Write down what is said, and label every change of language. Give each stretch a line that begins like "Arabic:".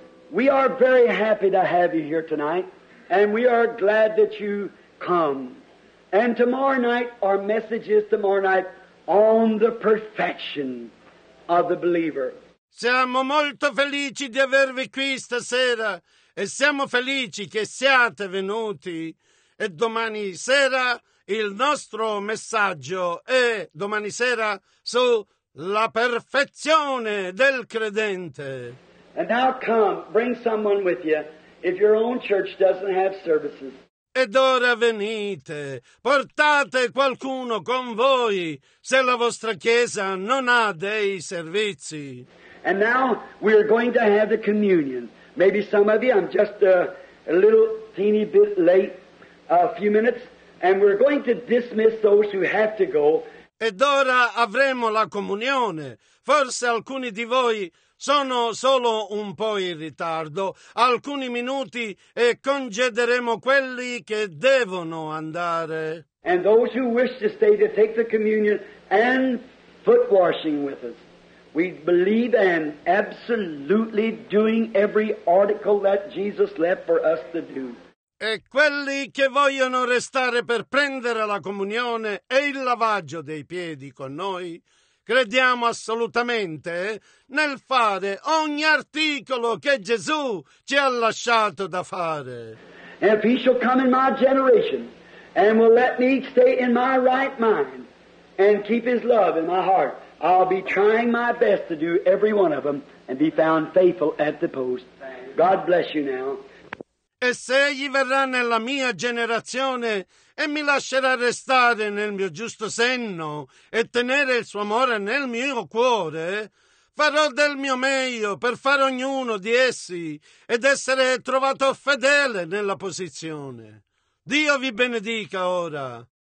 English: We are very happy to have you here tonight, and we are glad that you come. And tomorrow night, our message is tomorrow night, on the perfection of the believer.
Italian: Siamo molto felici di avervi qui stasera e siamo felici che siate venuti. E domani sera il nostro messaggio è domani sera sulla perfezione del credente.
English: And now come, bring someone with you if your own church doesn't have services.
Italian: Ed ora venite, portate qualcuno con voi se la vostra chiesa non ha dei servizi.
English: And now we are going to have the communion. Maybe some of you, I'm just a little teeny bit late, a few minutes, and we're going to dismiss those who have to go.
Italian: Ed ora avremo la comunione. Forse alcuni di voi sono solo un po' in ritardo, alcuni minuti, e congederemo quelli che devono andare.
English: And those who wish to stay to take the communion and foot washing with us. We believe in absolutely doing every article that Jesus left for us to do.
Italian: E quelli che vogliono restare per prendere la comunione e il lavaggio dei piedi con noi, crediamo assolutamente nel fare ogni articolo che Gesù ci ha lasciato da fare.
English: And if he shall come in my generation and will let me stay in my right mind and keep his love in my heart, I'll be trying my best to do every one of them and be found faithful at the post. God bless you now.
Italian: E se egli verrà nella mia generazione e mi lascerà restare nel mio giusto senno e tenere il suo amore nel mio cuore, farò del mio meglio per fare ognuno di essi ed essere trovato fedele nella posizione. Dio vi benedica ora.